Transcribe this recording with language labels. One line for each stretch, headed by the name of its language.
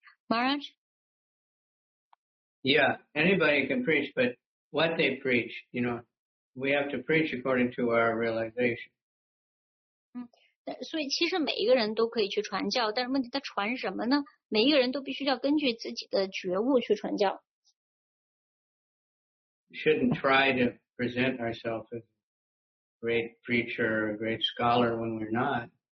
English: Maharaj? Yeah, anybody can preach, but what they preach, you know, we have to preach according to our realization.
Chinese: 所以其实每一个人都可以去传教, 但是问题他传什么呢? 每一个人都必须要根据自己的觉悟去传教。
English: Shouldn't try to present ourselves as a great preacher, a great scholar when we're not.